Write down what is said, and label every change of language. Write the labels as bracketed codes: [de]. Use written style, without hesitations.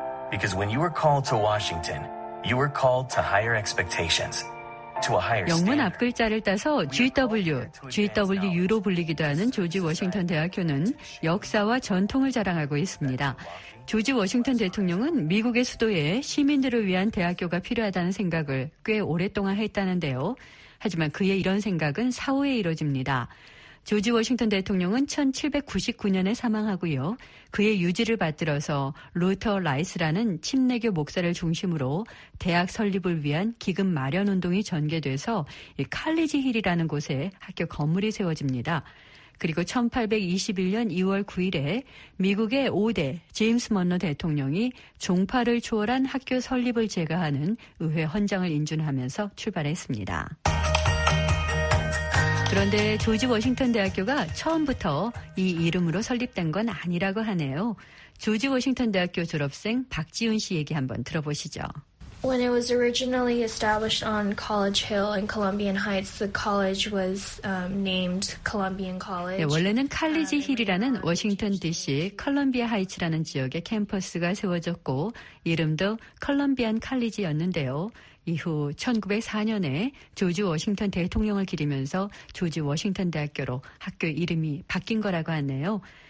[en] Because when you are called to Washington, you are called to higher expectations. [ko] 영문 앞글자를 따서 GW로 불리기도 하는 조지 워싱턴 대학교는 역사와 전통을 자랑하고 있습니다. 조지 워싱턴 대통령은 미국의 수도에 시민들을 위한 대학교가 필요하다는 생각을 꽤 오랫동안 했다는데요. 하지만 그의 이런 생각은 사후에 이뤄집니다. 조지 워싱턴 대통령은 1799년에 사망하고요. 그의 유지를 받들어서 루터 라이스라는 침례교 목사를 중심으로 대학 설립을 위한 기금 마련 운동이 전개돼서 이 칼리지 힐이라는 곳에 학교 건물이 세워집니다. 그리고 1821년 2월 9일에 미국의 5대 제임스 먼로 대통령이 종파를 초월한 학교 설립을 제거하는 의회 헌장을 인준하면서 출발했습니다. 그런데 조지 워싱턴 대학교가 처음부터 이 이름으로 설립된 건 아니라고 하네요. 조지 워싱턴 대학교 졸업생 박지훈 씨 얘기 한번 들어보시죠. [en] When it was originally established on College Hill in Columbian Heights, the college was named Columbian College. [ko] 네, 원래는 칼리지 힐이라는 워싱턴 DC 컬럼비아 하이츠라는 지역에 캠퍼스가 세워졌고 이름도 컬럼비안 칼리지였는데요. 이후 1904년에 조지 워싱턴 대통령을 기리면서 조지 워싱턴 대학교로 학교 이름이 바뀐 거라고 하네요.